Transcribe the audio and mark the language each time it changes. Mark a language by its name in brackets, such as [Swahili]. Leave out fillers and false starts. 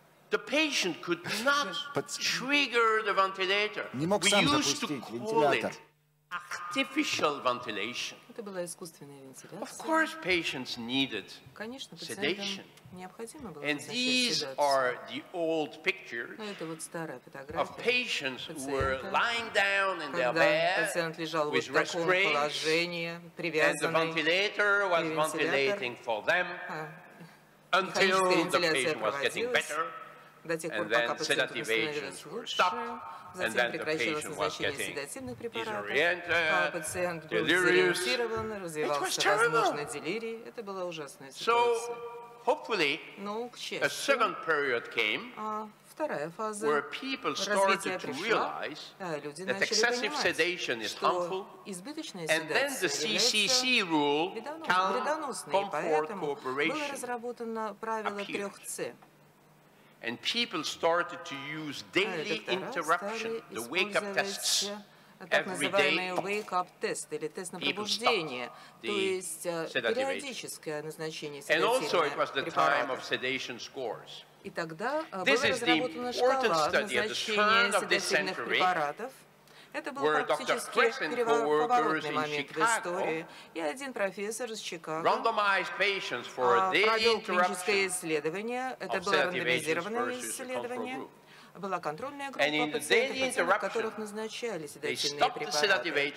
[English] The patient could not trigger the ventilator. [Russian] Не мог сам запустить вентилятор. [English] Artificial ventilation. [Russian] Это была искусственная вентиляция. [English] Of course, patients needed sedation. [Russian] Необходимо было. [English] And these are the old pictures. [Russian] Ну это вот старая фотография. [English] Of patients who were lying down in their bed. [Russian] Когда пациент лежал в таком положении, привязанный. [English] And the ventilator was ventilating for them. Until the patient was getting better. And then sedative agents were stopped, and then the patient was getting disoriented, delirious. It was terrible. So, hopefully, a second period came where people started to realize that excessive sedation is harmful, and then the CCC rule, calm, comfort, cooperation, appeared. And people started to use daily interruption, the wake-up tests, every day. People stopped the sedative agents. And also it was the time of sedation scores. This is the important study at the turn of this century. [Russian] Это был [English] where [Russian] фактически переворотный момент в истории. И один профессор из Чикаго провел клиническое исследование. Это было рандомизированное исследование. Была контрольная группа пациентов, которых назначали седативные препараты.